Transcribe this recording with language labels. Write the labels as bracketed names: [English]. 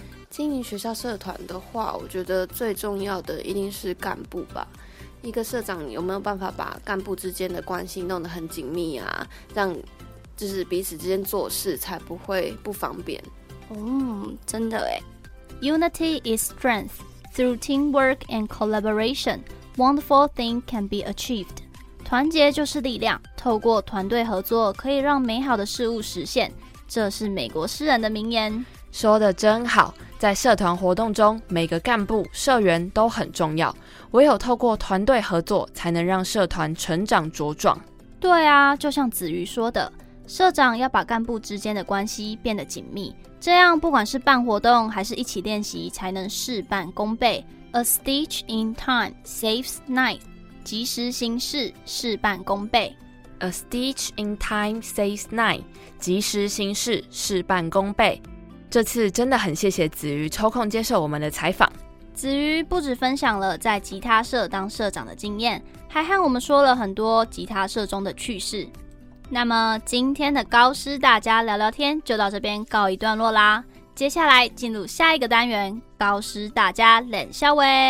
[Chinese] 经营学校社团的话，我觉得最重要的一定是干部吧。一个社长有没有办法把干部之间的关系弄得很紧密啊，让就是彼此之间做事才不会不方便。真的耶。 [English] Unity is strength. Through teamwork and collaboration, wonderful things can be achieved. [Chinese] 团结就是力量，透过团队合作可以让美好的事物实现，这是美国诗人的名言。说得真好，在社团活动中每个干部社员都很重要，唯有透过团队合作才能让社团成长茁壮。对啊，就像子瑜说的，社长要把干部之间的关系变得紧密，这样不管是办活动还是一起练习才能事半功倍， [English] A stitch in time saves nine. [Chinese] 及时行事，事半功倍。 [English] A stitch in time saves nine. [Chinese] 及时行事，事半功倍。这次真的很谢谢子瑜抽空接受我们的采访。子瑜不只分享了在吉他社当社长的经验，还和我们说了很多吉他社中的趣事。那么今天的高师大家聊聊天就到这边告一段落啦，接下来进入下一个单元，高师大家冷笑话。